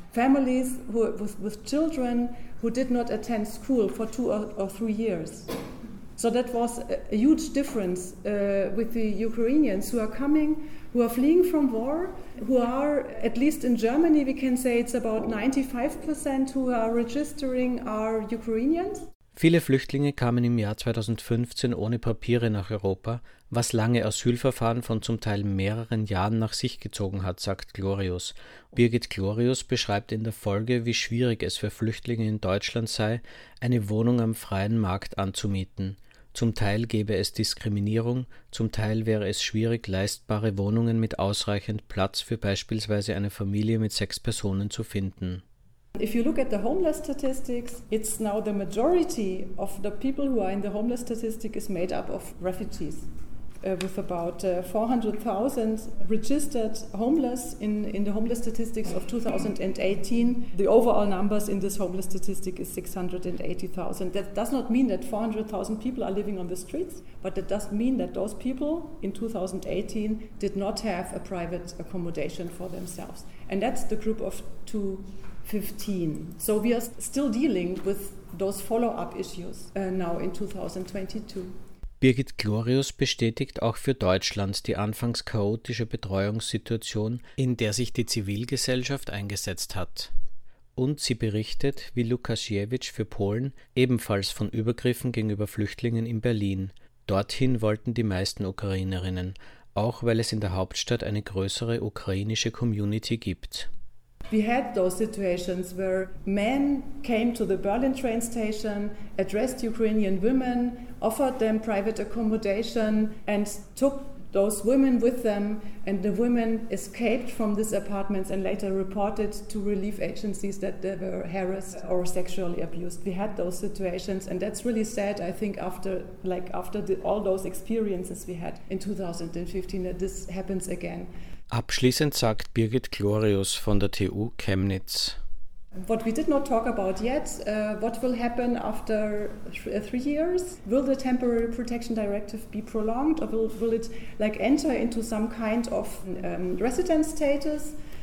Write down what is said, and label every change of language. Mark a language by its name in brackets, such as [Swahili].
[English] Families who with children who did not attend school for 2 or 3 years. So that was a huge difference with the Ukrainians who are coming, who are fleeing from war, who are, at least in Germany, we can say it's about 95% who are registering are Ukrainians. [German] Viele Flüchtlinge kamen im Jahr 2015 ohne Papiere nach Europa, was lange Asylverfahren von zum Teil mehreren Jahren nach sich gezogen hat, sagt Glorius. Birgit Glorius beschreibt in der Folge, wie schwierig es für Flüchtlinge in Deutschland sei, eine Wohnung am freien Markt anzumieten. Zum Teil gäbe es Diskriminierung, zum Teil wäre es schwierig, leistbare Wohnungen mit ausreichend Platz für beispielsweise eine Familie mit 6 Personen zu finden. [English] If you look at the homeless statistics, it's now the majority of the people who are in the homeless statistic is made up of refugees, with about 400,000 registered homeless in the homeless statistics of 2018. The overall numbers in this homeless statistic is 680,000. That does not mean that 400,000 people are living on the streets, but that does mean that those people in 2018 did not have a private accommodation for themselves. And that's the group of 2015. So we are still dealing with those follow-up issues now in 2022. [German] Birgit Glorius bestätigt auch für Deutschland die anfangs chaotische Betreuungssituation, in der sich die Zivilgesellschaft eingesetzt hat. Und sie berichtet, wie Lukasiewicz für Polen ebenfalls von Übergriffen gegenüber Flüchtlingen in Berlin. Dorthin wollten die meisten Ukrainerinnen, auch weil es in der Hauptstadt eine größere ukrainische Community gibt. [English] We had those situations where men came to the Berlin train station, addressed Ukrainian women, offered them private accommodation, and took those women with them, and the women escaped from these apartments and later reported to relief agencies that they were harassed or sexually abused. We had those situations, and that's really sad, I think, after all those experiences we had in 2015, that this happens again. [German] Abschließend sagt Birgit Glorius von der TU Chemnitz. [English] What we did not talk about yet, what will happen after 3 years? Will the temporary protection directive be prolonged, or will it like enter into some kind of resident status?